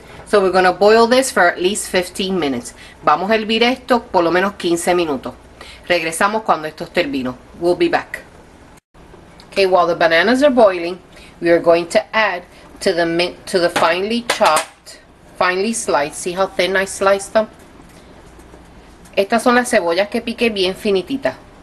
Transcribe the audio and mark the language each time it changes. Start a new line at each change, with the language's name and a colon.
English: So, we're going to boil this for at least 15 minutes.
Spanish: Vamos a hervir esto por lo menos 15 minutos. Regresamos cuando esto esté hervido.
English: We'll be back. Okay, while the bananas are boiling, we are going to add to the finely chopped, finely sliced. See how thin I sliced them?
Spanish: Estas son las cebollas que piqué bien finititas.